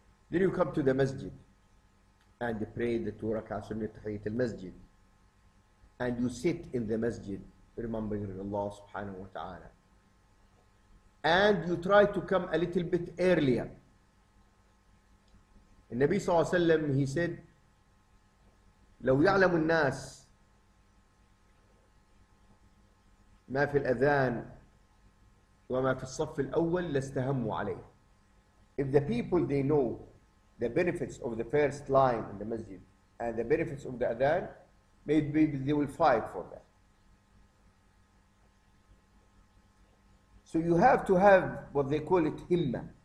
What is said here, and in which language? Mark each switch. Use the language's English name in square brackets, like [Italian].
[English] Then you come to the masjid and pray the two rak'ah sunnah tahiyyat al-masjid, and you sit in the masjid remembering Allah subhanahu wa ta'ala, and you try to come a little bit earlier. The Nabi sallallahu alayhi wa sallam, he said, [Arabic] لو يعلم الناس ما في الأذان وما في الصف الأول لاستهموا عليه. [English] If the people, they know the benefits of the first line in the masjid and the benefits of the adhan, maybe they will fight for that. So you have to have what they call it himma.